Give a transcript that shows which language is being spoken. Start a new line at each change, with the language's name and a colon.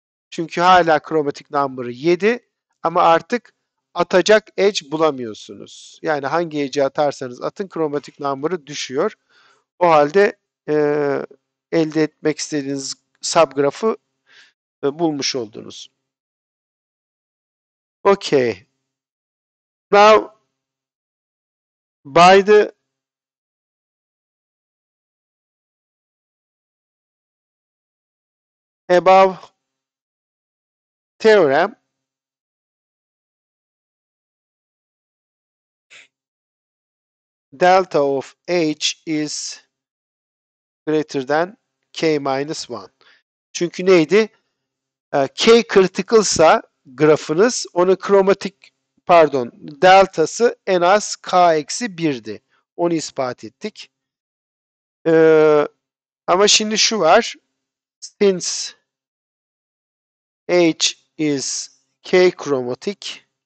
Turkish: Çünkü hala kromatik number'ı 7 ama artık atacak edge bulamıyorsunuz. Yani hangi edge'i atarsanız atın kromatik number'ı düşüyor. O halde elde etmek istediğiniz subgrafı bulmuş oldunuz.
English: Okay. Now by the above theorem, delta of H is greater than K minus 1.
Turkish: Çünkü neydi? K criticalsa grafınız, onun kromatik, pardon, deltası en az K eksi 1'di. Onu ispat ettik. Ama şimdi şu var.
English: Since H is K kromatik.